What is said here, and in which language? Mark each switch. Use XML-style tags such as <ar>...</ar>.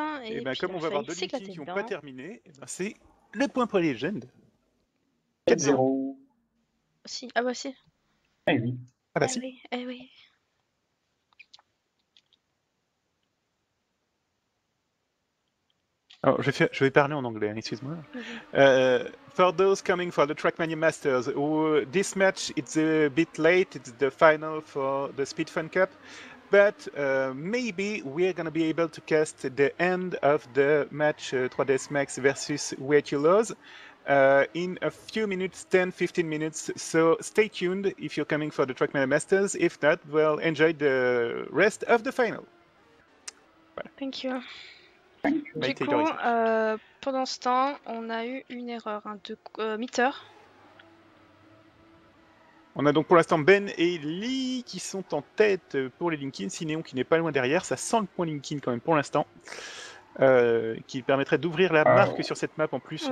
<fr>Et ben, comme on va avoir deux Linkin qui n'ont pas terminé, ben c'est le point pour les Legends. 4-0. Si. Ah bah si. Eh oui. Ah bah si. Eh oui. Alors, je vais parler en anglais, excuse-moi.</fr> <en>For those coming for the Trackmania Masters, this match it's a bit late, it's the final for the Speed Fun Cup. But maybe we're going to be able to cast the end of the match 3DS Max versus Weightulose in a few minutes, 10-15 minutes. So stay tuned if you're coming for the Trackmania Masters. If not, well, enjoy the rest of the final. Voilà. Thank you.</en> <fr>Du coup, pendant ce temps, on a eu une erreur hein, de meter. On a donc pour l'instant Ben et Lee qui sont en tête pour les Linkin. Sinéon qui n'est pas loin derrière, ça sent le point Linkin quand même pour l'instant. Qui permettrait d'ouvrir la marque sur cette map en plus.</fr>